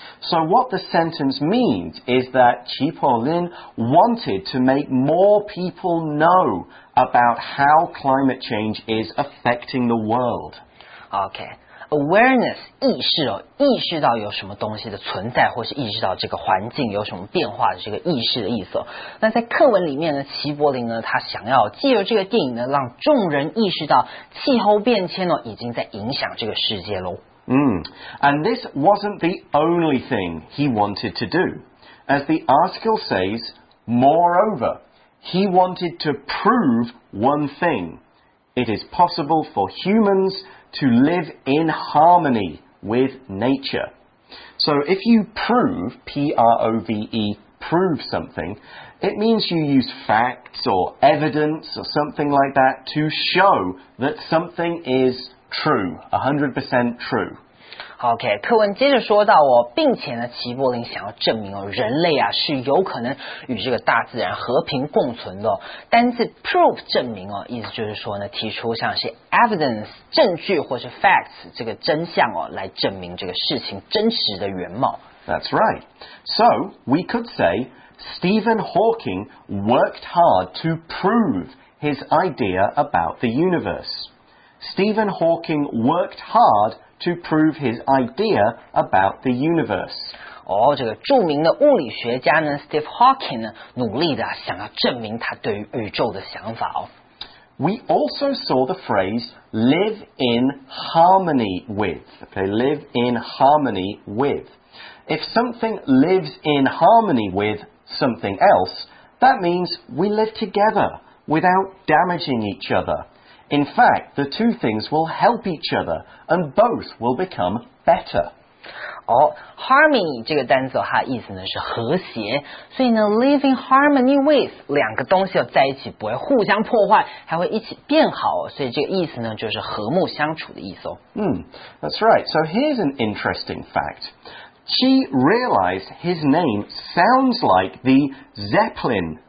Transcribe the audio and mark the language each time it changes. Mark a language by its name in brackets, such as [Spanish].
[English] So what the sentence means is that Qi Po Lin wanted to make more people know about how climate change is affecting the world. [Chinese] Okay, awareness, 意识哦，意识到有什么东西的存在，或是意识到这个环境有什么变化的这个意识的意思哦。那在课文里面呢，齐柏林呢，他想要借由这个电影呢，让众人意识到气候变迁呢，已经在影响这个世界咯。 [English] And this wasn't the only thing he wanted to do. As the article says, moreover, he wanted to prove one thing. It is possible for humans to live in harmony with nature. So if you prove, P-R-O-V-E, prove something, it means you use facts or evidence or something like that to show that something is true, 100% true. [Chinese] OK, 课文接着说到哦，并且呢，齐柏林想要证明哦，人类啊是有可能与这个大自然和平共存的。单字 prove 证明哦，意思就是说呢，提出像是 evidence 证据或是 facts 这个真相哦，来证明这个事情真实的原貌。 [English] That's right. So we could say Stephen Hawking worked hard to prove his idea about the universe. Stephen Hawking worked hard. To prove his idea about the universe. [Chinese] 哦，这个著名的物理学家呢 ，Steve Hawking 呢，努力的想要证明他对于宇宙的想法哦。 [English] We also saw the phrase "live in harmony with." Okay, live in harmony with. If something lives in harmony with something else, that means we live together without damaging each other. In fact, the two things will help each other, and both will become better. [Chinese] Oh, harmony 这个单词哈，意思呢是和谐，所以呢 ，live in harmony with 两个东西要在一起，不会互相破坏，还会一起变好，所以这个意思呢就是和睦相处的意思哦。 [English] That's right. So here's an interesting fact. Qi realized his name sounds like the Zeppelin.